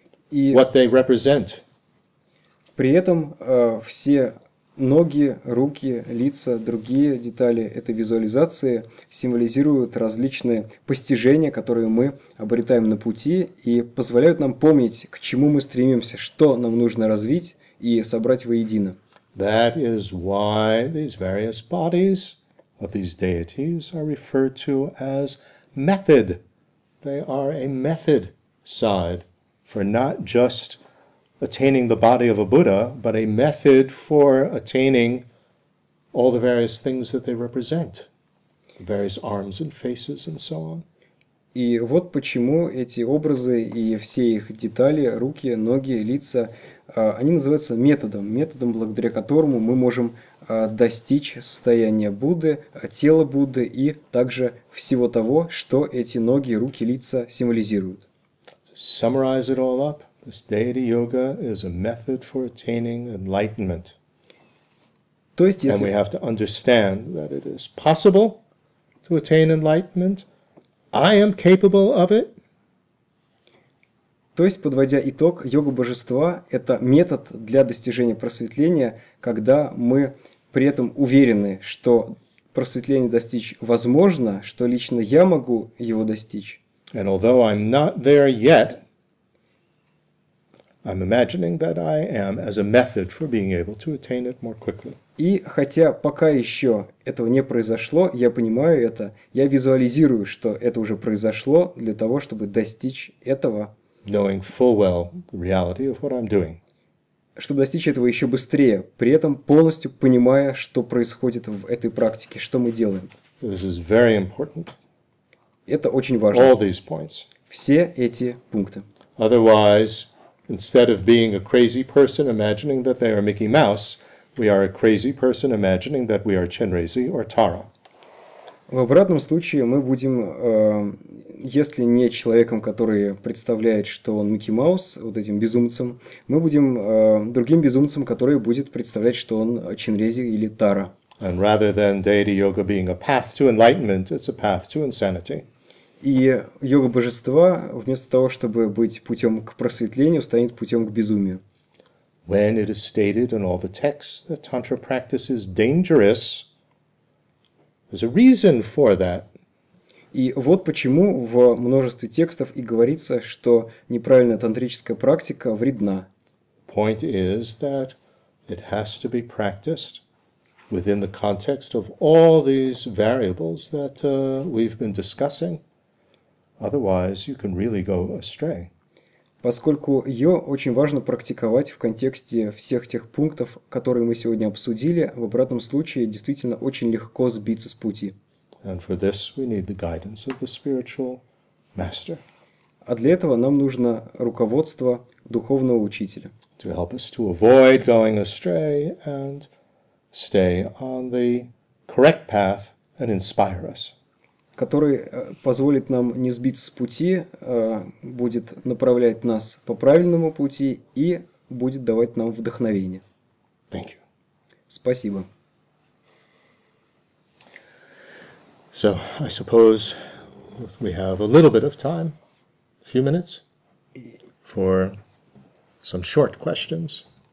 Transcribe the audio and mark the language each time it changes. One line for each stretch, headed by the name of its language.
Russian: И
English: what they represent.
Russian: При этом все ноги, руки, лица, другие детали этой визуализации символизируют различные постижения, которые мы обретаем на пути и позволяют нам помнить, к чему мы стремимся, что нам нужно развить и собрать воедино.
English: That is why these various bodies of these deities are referred to as method. They are a method side for not just attaining the body of a Buddha, but a method for attaining all the various things that they represent, the various arms and faces and so on.
Russian: И вот почему эти образы и все их детали, руки, ноги, лица, они называются методом, методом, благодаря которому мы можем достичь состояния Будды, тела Будды и также всего того, что эти ноги, руки, лица символизируют.
English: Summarize it all up. This deity yoga is a method for attaining enlightenment.
Russian: То есть,
English: and we have to understand that it is possible to attain enlightenment. I am capable of it.
Russian: То есть, подводя итог, йога божества – это метод для достижения просветления, когда мы при этом уверены, что просветление достичь возможно, что лично я могу его достичь.
English: And although I'm not there yet, I'm imagining that I am as a method for being able to attain it more quickly.
Russian: И хотя пока еще этого не произошло, я понимаю это, я визуализирую, что это уже произошло для того, чтобы достичь этого.
English: Knowing full well the reality of what I'm doing.
Russian: Чтобы достичь этого еще быстрее, при этом полностью понимая, что происходит в этой практике, что мы делаем.
English: This is very important.
Russian: Это очень важно.
English: All these points.
Russian: Все эти пункты.
English: Otherwise, instead of being a crazy person imagining that they are Mickey Mouse, we are a crazy person imagining that we are Chenrezig or Tara.
Russian: В обратном случае мы будем, если не человеком, который представляет, что он Микки Маус, вот этим безумцем, мы будем другим безумцем, который будет представлять, что он Чинрези или Тара.
English: And rather than deity yoga being a path to enlightenment, it's a path to insanity.
Russian: И йога божества, вместо того, чтобы быть путем к просветлению, станет путем к безумию.
English: When it is stated in all the texts that tantra practice is dangerous, there's a reason for that.
Russian: И вот почему в множестве текстов и говорится, что неправильная тантрическая практика вредна.
English: Point is that it has to be practiced within the context of all these variables that we've been discussing. Otherwise, you can really go astray.
Russian: Поскольку ее очень важно практиковать в контексте всех тех пунктов, которые мы сегодня обсудили, в обратном случае действительно очень легко сбиться с пути.
English: And for this we need the guidance of the spiritual master.
Russian: А для этого нам нужно руководство духовного учителя.
English: To help us to avoid going astray and stay on the correct path and inspire us.
Russian: Который позволит нам не сбиться с пути, будет направлять нас по правильному пути и будет давать нам вдохновение.
English: Thank you.
Russian: Спасибо.
English: So, I suppose we have a little bit of time, a few minutes, for some short questions.